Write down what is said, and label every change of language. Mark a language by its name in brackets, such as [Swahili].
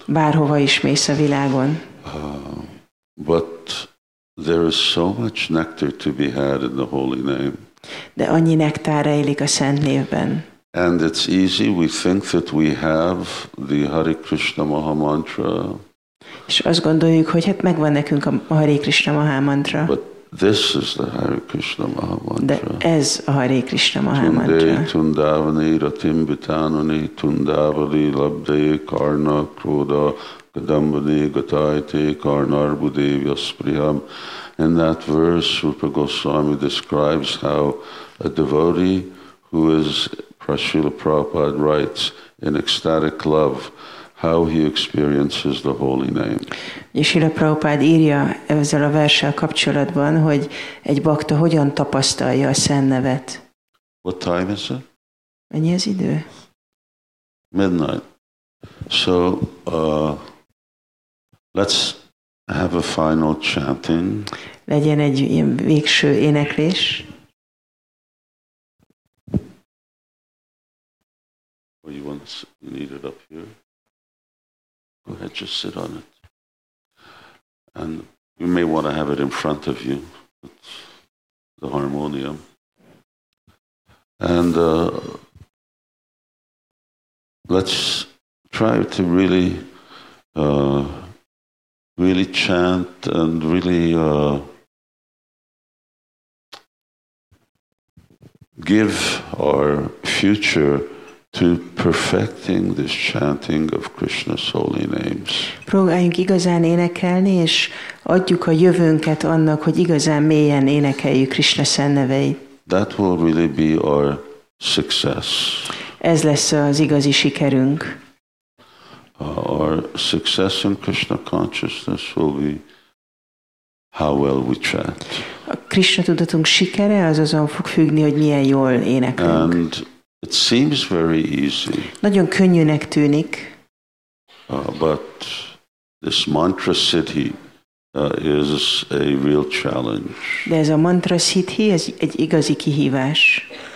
[Hungarian] Bárhova is mész a világon. [English] But there is so much nectar to be had in the holy name. [Hungarian] De annyi nektár rejlik a szent névben. [English] And it's easy, we think that we have the Hare Krishna Maha Mantra. [Hungarian] És azt gondoljuk, hogy hát megvan nekünk a Hare Krishna Maha Mantra. [English] But this is the Hare Krishna Maha Mantra. [Hungarian] De ez a Hare Krishna Maha Mantra. [Sanskrit] Tundei tundavani ratim bitanani tundavali labdei karna krodha kadambani gataite karnar budevya spriham. [English] In that verse, Rupa Goswami describes how a devotee who is, Prashila Prabhupada writes, in ecstatic love, how he experiences the holy name. [Hungarian] Srila Prabhupada írja ezzel a verssel kapcsolatban, hogy egy bakta hogyan tapasztalja a szent nevet. [English] What time is it? [Hungarian] Mennyi az idő? [English] Midnight. So, let's have a final chanting. [Hungarian] Legyen egy ilyen végső éneklés. [English] Or you want to need it up here? Go ahead, just sit on it. And you may want to have it in front of you, the harmonium. And let's try to really, really chant and really give our future to perfecting this chanting of Krishna's holy names. [Hungarian] Próbáljunk igazán énekelni, és adjuk a jövőnket annak, hogy igazán mélyen énekeljük Krishna szent neveit. [English] That will really be our success. [Hungarian] Ez lesz az igazi sikerünk. [English] Our success in Krishna consciousness will be how well we chant. [Hungarian] Krisna tudatunk sikere az azon fog függni, hogy milyen jól éneklünk. [English] And it seems very easy. [Hungarian] Nagyon könnyűnek tűnik. [English] But this mantra siddhi is a real challenge. [Hungarian] De ez a mantra siddhi, ez egy igazi kihívás.